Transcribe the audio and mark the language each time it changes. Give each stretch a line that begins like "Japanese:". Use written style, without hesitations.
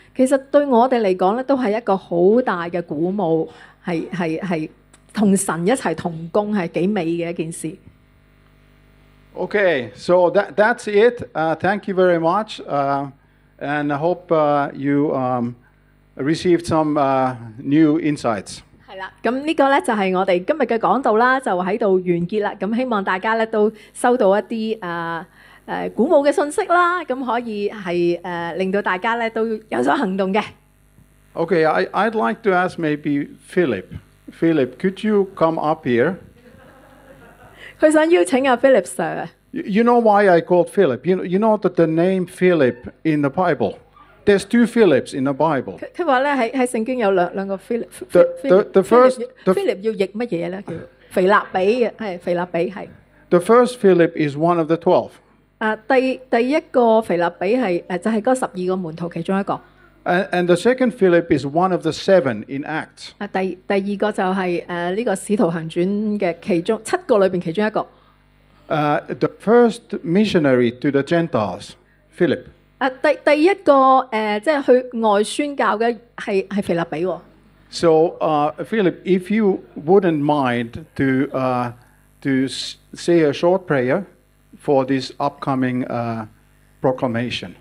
Cantonese: 其實對我哋嚟講咧，都係一個好大嘅鼓舞，係同神一齊同工，係幾美嘅一件事。
English: Okay, so that's it. Thank you very much. And I hope you received some new insights.
Cantonese: 係啦，咁呢個咧就係我哋今日嘅講道啦，就喺度完結啦。咁希望大家咧都收到一啲鼓舞嘅信息啦，咁可以係令到大家咧都有所行動嘅。
English: Okay, I'd like to ask maybe Philip. Philip, could you come up here?
Cantonese: 佢想邀请阿 Philip Sir。
English: You know why I called Philip? You know that the name Philip in the Bible, there's two Philips in the Bible.
Cantonese: 佢話咧喺聖經有兩個 Philip。
English: The first
Cantonese: Philip 要譯乜嘢咧？叫腓立比嘅，係腓立比係。
English: The first Philip is one of the 12.
Cantonese: 第一個腓立比係就係嗰十二個門徒其中一個。
English: And the second Philip is one of the 7 in Acts.
Cantonese: 第二個就係呢個使徒行傳嘅其中七個裏邊其中一個。
English: The first missionary to the Gentiles, Philip.
Cantonese: 第一個即係去外宣教嘅係腓立比喎。
English: So, Philip, if you wouldn't mind to say a short prayer for this upcoming proclamation.